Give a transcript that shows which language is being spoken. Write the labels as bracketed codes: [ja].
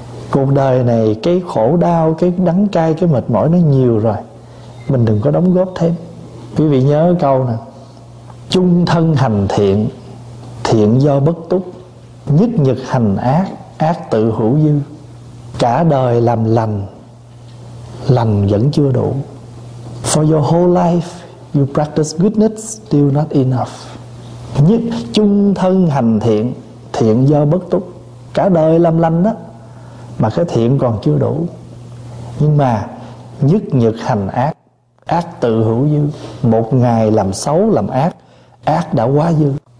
[vi] Cuộc đời này cái khổ đau, cái đắng cay, cái mệt mỏi nó nhiều rồi, mình đừng có đóng góp thêm. Quý vị nhớ câu nè: chung thân hành thiện, thiện do bất túc, nhất nhật hành ác, ác tự hữu dư. Cả đời làm lành, lành vẫn chưa đủ. [en] For your whole life you practice goodness, still not enough. [vi] Nhất chung thân hành thiện, thiện do bất túc, cả đời làm lành đó mà cái thiện còn chưa đủ. Nhưng mà nhất nhật hành ác, ác tự hữu dư. Một ngày làm xấu làm ác, ác đã quá dư.